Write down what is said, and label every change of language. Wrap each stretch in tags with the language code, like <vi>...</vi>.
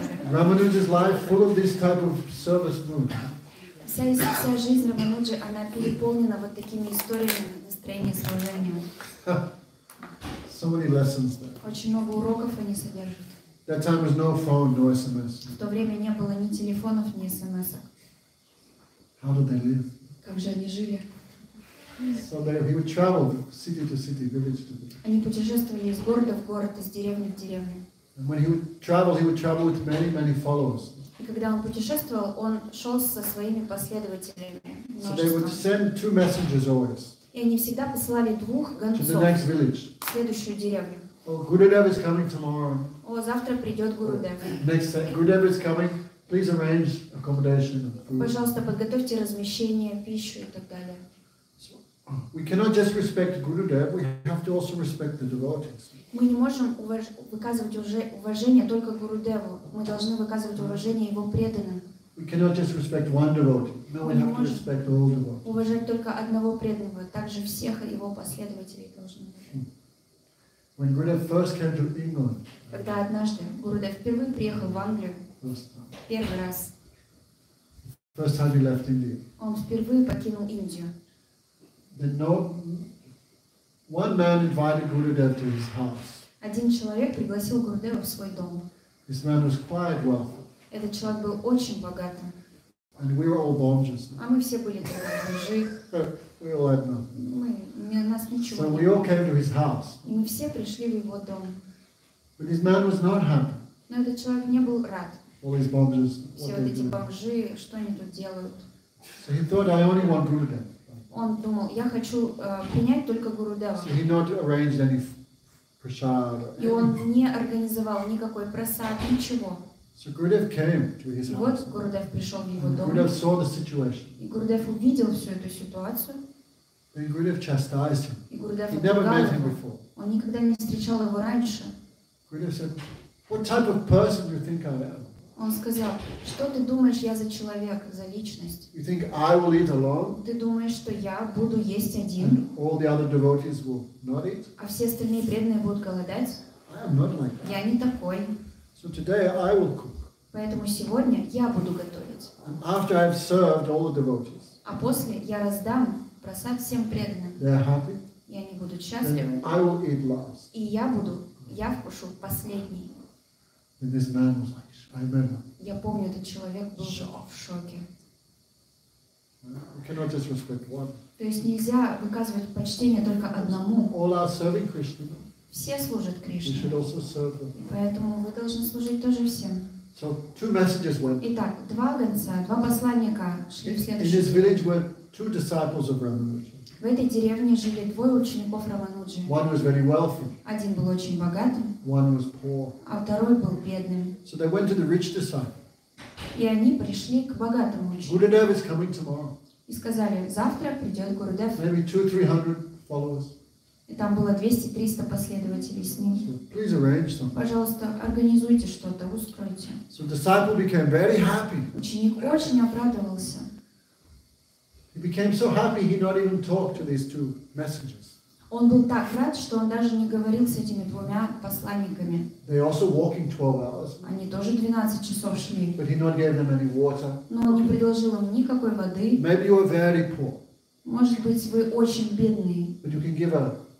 <en>Ramanuja's life full of this type of service mood.</en> <ru>Вся жизнь Рамануджи, она переполнена вот такими историями настроения служения.</ru> <en>So many lessons there.</en> <ru>Очень много уроков они содержат.</ru> <en>That time was no phone, no SMS.</en> <ru>В то время не было ни телефонов, ни смс-ок.</ru> <en>How did they live?</en> <ru>Как же они жили?</ru> <en>So they would travel city to city, village to village.</en> <ru>Они путешествовали из города в город, из деревни в деревню.</ru> <en>And when he would travel with many, many followers.</en> <ru>И когда он путешествовал, он шел со своими последователями. Множество.</ru> <en>So they would send two messages always.</en> <ru>И они всегда посылали двух гонцов в следующую деревню.</ru> <en>Oh, Gurudev is coming tomorrow.</en> <ru>О, завтра придет Гурудев.</ru> <en>Next time, Gurudev is coming. Please arrange accommodation and food.</en> <ru>Пожалуйста, подготовьте размещение, пищу и так далее.</ru> <en>We cannot just respect Gurudev. We have to also respect the devotees.</en> <ru>Мы не можем выказывать уже уважение только Гурудеву. Мы должны выказывать уважение его преданным.</ru> <en>We cannot just respect one devotee. No, we have to respect all devotees.</en> <ru>Уважать только одного преданного, также всех его последователей должны.</ru> <en>When Gurudev first came to England.</en> <ru>Когда однажды Гурудев впервые приехал в Англию. Первый раз.</ru> <en>First time he left India.</en> <ru>Он впервые покинул Индию.</ru> <en>Then one man invited Gurudev to his house.</en> <ru>Один человек пригласил Гурудева в свой дом.</ru> <en>This man was quite wealthy.</en> <ru>Этот человек был очень богатым.</ru> <en>And we were all bonjas.</en> <ru>А мы все были бомжи.</ru> <en>We all had nothing. So we all came to his house.</en> <ru>И мы все пришли в его дом.</ru> <en>But his man was not happy.</en> <ru>Но этот человек не был рад.</ru> <en>All his bonjas.</en> <ru>Все вот эти бомжи, что они тут делают?</ru> <en>So he thought, I only want Gurudev.</en> <ru>Он думал, я хочу принять только Гурудева.</ru> <en>So he not arranged any prasad.</en> <ru>И он не организовал никакой прасад, ничего.</ru> <en>So Gurudev came to his house.</en> <ru>Вот Гурудев пришел в его дом.</ru> <en>Gurudev saw the situation.</en> <ru>И Гурудев увидел всю эту ситуацию.</ru> <en>And Gurudev chastised him.</en> <ru>И Гурудев</ru> <en>he never met him before.</en> <ru>Он никогда не встречал его раньше.</ru> <en>Gurudev said, "What type of person do you think I am?"</en> <ru>Он сказал, что ты думаешь я за человек, за личность?</ru> <en>You think I will eat alone?</en> <ru>Ты думаешь, что я буду есть один?</ru> <en>And all the other devotees will not eat?</en> <ru>А все остальные преданные будут голодать?</ru> <en>I am not like that.</en> <ru>Я не такой.</ru> <en>So today I will cook.</en> <ru>Поэтому сегодня я буду готовить.</ru> <en>And after I have served all the devotees.</en> <ru>А после я раздам просад всем преданным.</ru> <en>They are happy.</en> <ru>И они будут счастливы.</ru> <en>Then I will eat last.</en> <ru>И я вкушу последний.</ru> <en>And this man was like, I remember.</en> <ru>Я помню, этот человек был в шоке.</ru> <en>We cannot just respect one.</en> <ru>То есть нельзя выказывать почтение только одному.</ru> <en>All are serving Krishna.</en> <ru>Все служат Кришне.</ru> <en>We should also serve them.</en> <ru>Поэтому вы должны служить тоже всем.</ru> <en>So two messages went.</en> <ru>Итак, два гонца, два посланника шли в следующий.</ru> <en>In this village were two disciples of Ramanuja.</en> <ru>В этой деревне жили двое учеников Рамануджи.</ru> <en>One was very wealthy.</en> <ru>Один был очень богатым.</ru> <en>One was poor.</en> <ru>А второй был бедным.</ru> <en>So they went to the rich disciple.</en> <ru>И они пришли к богатому ученику.</ru> <en>Gurudev is coming tomorrow.</en> <ru>И сказали, завтра придет Гурудев.</ru> <en>Maybe 200-300 followers.</en> <ru>И там было 200-300 последователей с ним.</ru> <en>So please arrange something.</en> <ru>Пожалуйста, организуйте что-то, устройте.</ru> <en>So disciple became very happy.</en> <ru>Ученик очень обрадовался.</ru> <en>He became so happy he not even talked to these two messengers.</en> <ru>Он был так рад, что он даже не говорил с этими двумя посланниками.</ru> <en>They also walking 12 hours.</en> <ru>Они тоже 12 часов шли.</ru> <en>But he not gave them any water.</en> <ru>Но он не предложил им никакой воды.</ru> <en>Maybe you are very poor.</en> <ru>Может быть, вы очень бедные.</ru> <en>But you can give a,</en>